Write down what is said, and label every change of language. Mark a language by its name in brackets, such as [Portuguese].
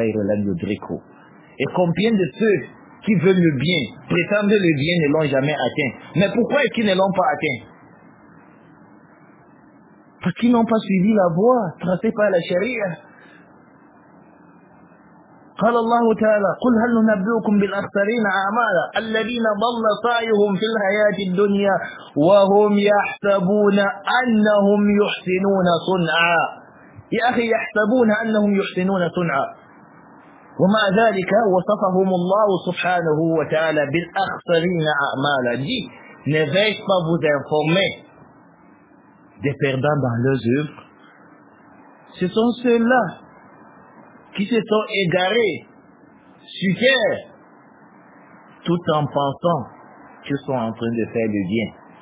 [French] Et combien de ceux qui veulent le bien, prétendent le bien, ne l'ont jamais atteint? Mais pourquoi est-ce qu'ils ne l'ont pas atteint? Parce qu'ils n'ont pas suivi la voie tracée par la charia. [Arabic] قال الله تعالى قل هل ننبئكم بالأخسرين أعمالا الذين ضل سعيهم في الحياة الدنيا وهم يحسبون أنهم يحسنون صنعا. يا أخي يحسبون أنهم يحسنون صنعا وما ذلك وصفهم الله سبحانه وتعالى بالأخسرين أعمالا. [French] دي نفيس ما بودين فرمي des perdants dans leurs œuvres. Ce sont ceux-là qui se sont égarés sur terre tout en pensant qu'ils sont en train de faire le bien.